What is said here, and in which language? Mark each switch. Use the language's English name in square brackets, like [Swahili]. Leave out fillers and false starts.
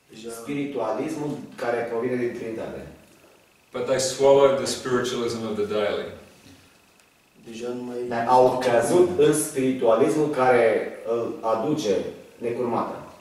[Romanian] spiritualismul care provine din Trinitate. [English] But they swallowed the spiritualism of the daily. [Romanian] Deja nu mai. Dar au căzut în spiritualismul care îl aduce necurmată.